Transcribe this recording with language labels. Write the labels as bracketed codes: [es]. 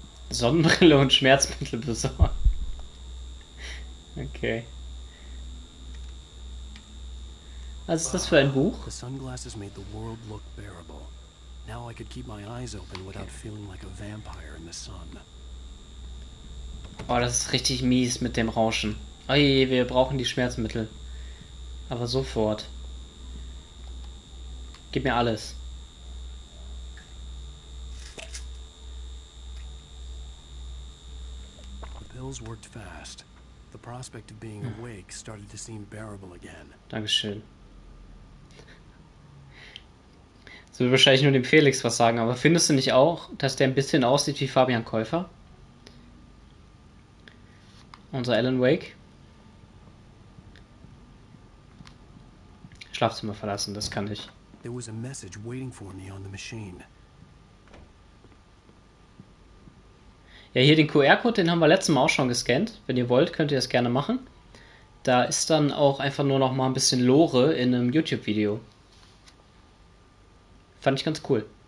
[de] Sonnenbrille und Schmerzmittel besorgen. Okay. Was ist das für ein Buch? [en] The sunglasses made the world look bearable. Now I could keep my eyes open without feeling like a vampire in the sun. [de] Oh, das ist richtig mies mit dem Rauschen. Oh je, wir brauchen die Schmerzmittel. Aber sofort. Gib mir alles. [en] The pills worked fast. The prospect of being awake started to seem bearable again. [de] Dankeschön. Das wird wahrscheinlich nur dem Felix was sagen, aber findest du nicht auch, dass der ein bisschen aussieht wie Fabian Käufer? Unser Alan Wake? Schlafzimmer verlassen, das kann ich. [en] There was a message waiting for me on the machine. [de] Ja, hier den QR-Code, den haben wir letztes Mal auch schon gescannt. Wenn ihr wollt, könnt ihr das gerne machen. Da ist dann auch einfach nur noch mal ein bisschen Lore in einem YouTube-Video. Fand ich ganz cool.